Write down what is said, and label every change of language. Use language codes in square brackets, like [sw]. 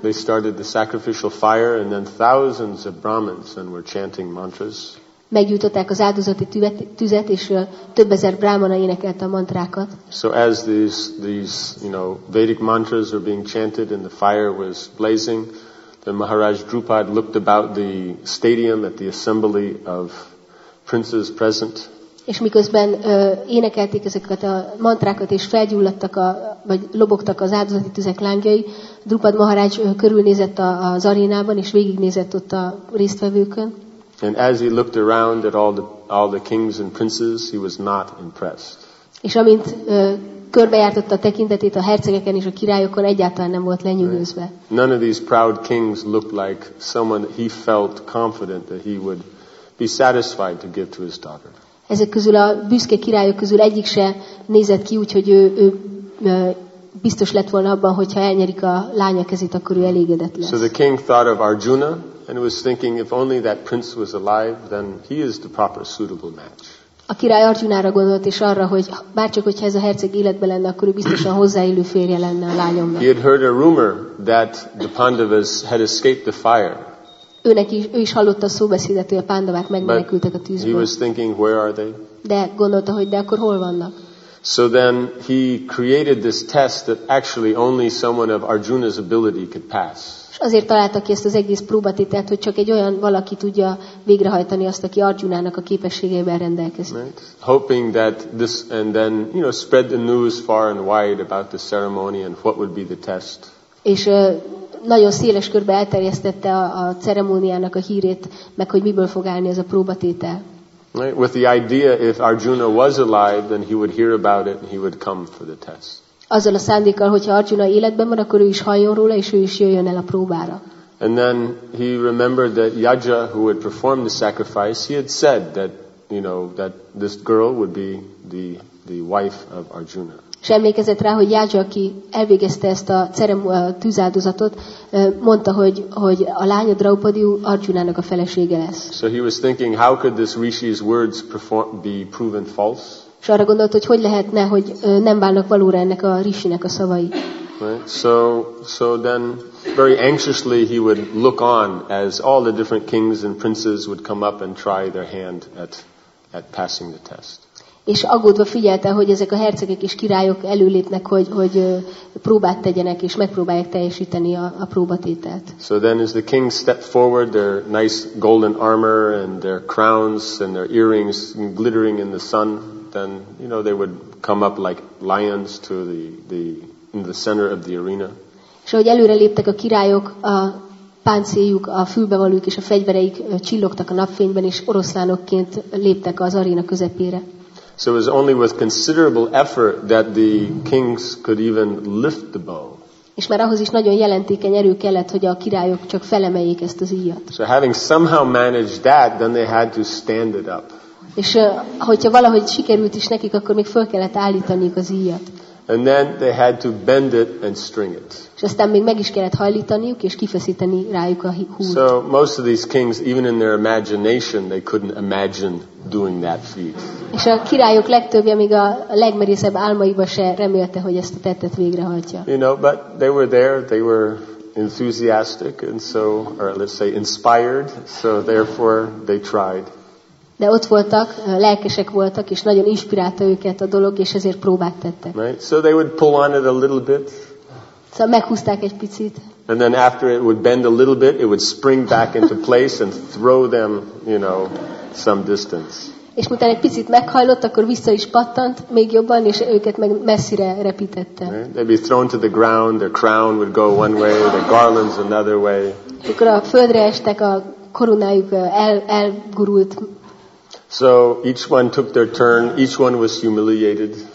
[en] They started the sacrificial fire and then thousands of Brahmins and were chanting mantras. [hu] Meggyújtották az áldozati tüzet, és több ezer brámana énekelte a mantrákat. [en] So as these you know, Vedic mantras were being chanted and the fire was blazing, the Maharaj Drupad looked about the stadium at the assembly of princes present. [hu] És miközben énekelték ezeket a mantrákat, és felgyulladtak, vagy lobogtak az áldozati tüzek lángjai, Drupad Maharaj körülnézett az arénában, és végignézett ott a résztvevőkön. [en] And as he looked around at all the kings and princes, he was not impressed. [hu] És amint körbejártotta a tekintetét a hercegeken és a királyokon, egyáltalán nem volt lenyűgözve. [en] None of these proud kings looked like someone that he felt confident that he would be satisfied to give to his daughter. [hu] Ezek közül a büszke királyok közül egyik se nézett ki úgy, hogy ő biztos lett volna abban, hogyha elnyerik a lánya kezét, akkor ő elégedett lesz. [en] So the king thought of Arjuna and was thinking, if only that prince was alive, then he is the proper suitable match. [hu] A király Arjunára gondolt, és arra, hogy bárcsak, hogyha ez a herceg életben lenne, akkor ő biztosan hozzáillő férje lenne a lányomnak. [en] He had heard a rumor that the Pandavas had escaped the fire. [hu] Ő is hallotta a szóbeszédet, hogy a pándavák megmenekültek a tűzből. [en] He was thinking, where are they? [hu] De gondolta, hogy de akkor hol vannak? [en] So then he created this test that actually only someone of Arjuna's ability could pass. [hu] És azért találta ki ezt az egész próbatételt, hogy csak egy olyan valaki tudja végrehajtani azt, aki Arjunának a képességeivel rendelkezik. [en] Right. Hoping that this and then, you know, spread the news far and wide about the ceremony and what would be the test. [hu] És nagyon széles körbe elterjesztette a ceremóniának a hírét, meg hogy miből fog állni ez a próbatétel. [en] Right. With the idea if Arjuna was alive then he would hear about it and he would come for the test. [hu] Azzal a szándékkal, hogyha Arjuna életben van, akkor ő is halljon róla, és ő is jöjjön el a próbára. [en] And then he remembered that Yaja, who had performed the sacrifice, he had said that, you know, that this girl would be the wife of Arjuna. [hu] És emlékezett rá, hogy Yaja, aki elvégezte ezt a tűzáldozatot, mondta, hogy a lánya Draupadi Arjunának a felesége lesz. [en] So he was thinking, how could this rishi's words be proven false? [hu] És arra gondolt, hogy hogy lehetne, hogy nem válnak valóra ennek a rishinek a szavai. [en] Right. So then very anxiously he would look on as all the different kings and princes would come up and try their hand at passing the test. [hu] És aggódva figyelte, hogy ezek a hercegek és királyok előlépnek, hogy próbát tegyenek és megpróbálják teljesíteni a próbatételt. [en] So then as the kings step forward, their nice golden armor and their crowns and their earrings glittering in the sun, then you know they would come up like lions to the center of the arena. [hu] És ahogy előre léptek a királyok, a páncéljuk, a fülbevalójuk és a fegyvereik csillogtak a napfényben, és oroszlánokként léptek az aréna közepére. [en] So it was only with considerable effort that the kings could even lift the bow. [hu] És már ahhoz is nagyon jelentékeny erő kellett, hogy a királyok csak felemeljék ezt az íjat. [en] So having somehow managed that, then they had to stand it up. [hu] És hogyha valahogy sikerült is nekik, akkor még föl kellett állítaniuk az íjat. [en] And then they had to bend it and string it. [hu] És aztán még meg is kellett hajlítaniuk és kifeszíteni rájuk a húrt. [en] So most of these kings, even in their imagination, they couldn't imagine doing that feat. [hu] És a királyok legtöbbje még a legmerészebb álmaiba se remélte, hogy ezt a tettet végrehajtja. [en] You know, but they were there, they were enthusiastic, and so, or let's say inspired, so therefore they tried. [hu] De ott voltak, lelkesek voltak, és nagyon inspirálta őket a dolog, és ezért próbát tettek. [en] Right? So they would pull on it a little bit. [hu] Szóval meghúzták egy picit. [en] And then after it would bend a little bit, it would spring back into place and throw them, you know, some distance. [hu] És miután egy picit meghajlott, akkor vissza is pattant még jobban, és őket meg messzire repítette. [en] Right? They'd be thrown to the ground, their crown would go one way, their garlands another way. [hu] Akkor a földre estek, a koronájuk elgurult. [en] So each one took their turn, each one was humiliated.